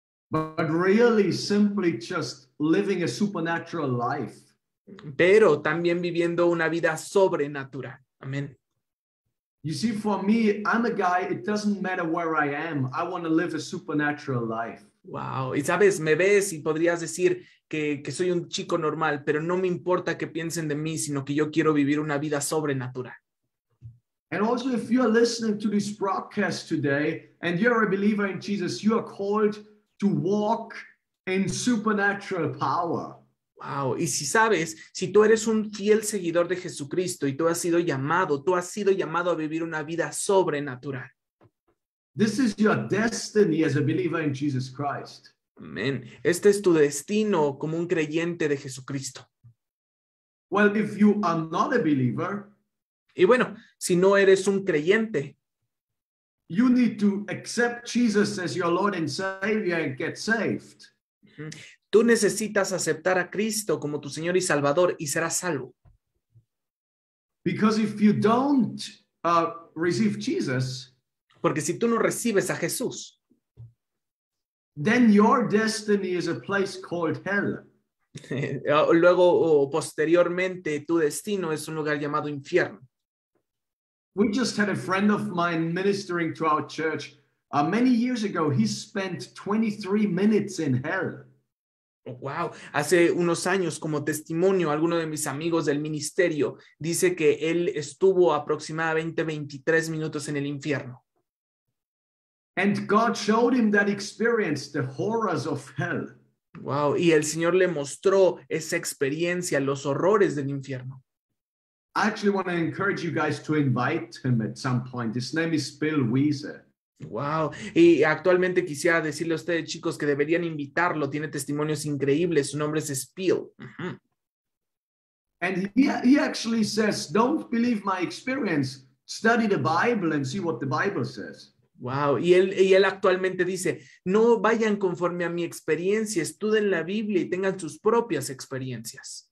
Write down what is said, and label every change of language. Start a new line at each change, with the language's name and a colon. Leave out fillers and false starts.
English: But really simply just living a supernatural life.
Spanish: Pero también viviendo una vida sobrenatural. Amén.
English: You see, for me, I'm a guy, it doesn't matter where I am. I want to live a supernatural life. Wow.
Spanish: Y sabes, me ves y podrías decir que soy un chico normal, pero no me importa que piensen de mí, sino que yo quiero vivir una vida sobrenatural.
English: And also, if you're listening to this broadcast today, and you're a believer in Jesus, you are called to walk in supernatural power. Wow.
Spanish: Y si sabes, si tú eres un fiel seguidor de Jesucristo y tú has sido llamado a vivir una vida sobrenatural.
English: This is your destiny as a believer in Jesus Christ. Amen.
Spanish: Este es tu destino como un creyente de Jesucristo.
English: Well, if you are not a believer,
Spanish: y bueno, si no eres un creyente,
English: you need to accept Jesus as your Lord and Savior and get saved.
Spanish: Tú necesitas aceptar a Cristo como tu Señor y Salvador y serás salvo.
English: Because if you don't receive Jesus,
Spanish: porque si tú no recibes a Jesús,
English: then your destiny is a place called hell.
Spanish: Luego o posteriormente tu destino es un lugar llamado infierno.
English: We just had a friend of mine ministering to our church many years ago. He spent 23 minutes in hell.
Spanish: Wow, hace unos años, como testimonio, alguno de mis amigos del ministerio dice que él estuvo aproximadamente 23 minutos en el infierno.
English: And God showed him that experience, the horrors of hell.
Spanish: Wow, y el Señor le mostró esa experiencia, los horrores del infierno.
English: I actually want to encourage you guys to invite him at some point. His name is Bill Weiser.
Spanish: Wow, y actualmente quisiera decirle a ustedes, chicos, que deberían invitarlo. Tiene testimonios increíbles. Su nombre es Spiel.
English: And he actually says, don't believe my experience. Study the Bible and see what the Bible says.
Spanish: Wow, y él actualmente dice, no vayan conforme a mi experiencia. Estudien la Biblia y tengan sus propias experiencias.